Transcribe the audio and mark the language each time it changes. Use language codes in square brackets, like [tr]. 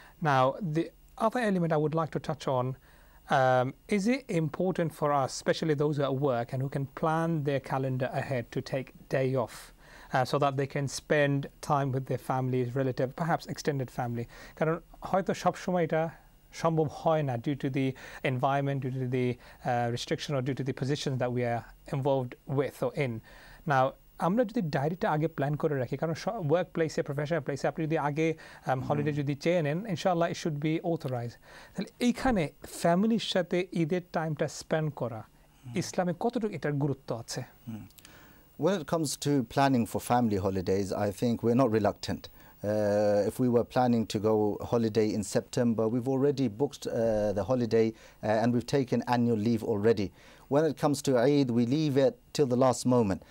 [en] Now, the other element I would like to touch on, is it important for us, especially those who are at work and who can plan their calendar ahead, to take day off so that they can spend time with their families, relative, perhaps extended family? [bn] কারণ হয়তো সবসময় এটা সম্ভব হয় না [en] due to the environment, due to the restriction, or due to the positions that we are involved with or in. [bn] Now, আমরা যদি ডায়েরিটা আগে প্ল্যান করে রাখি, কারণ ওয়ার্ক প্লেসে, প্রফেশনাল প্লেসে আপনি যদি আগে হলিডে যদি চেয়ে নেন, ইনশাআল্লাহ [en] It should be authorise. [bn] তাহলে এইখানে ফ্যামিলির সাথে ঈদের টাইমটা স্পেন্ড করা ইসলামে কতটুকু এটার গুরুত্ব আছে? [en] When it comes to planning for family holidays, I think we're not reluctant. If we were planning to go holiday in September, we've already booked the holiday and we've taken annual leave already. When it comes to Eid, we leave it till the last moment.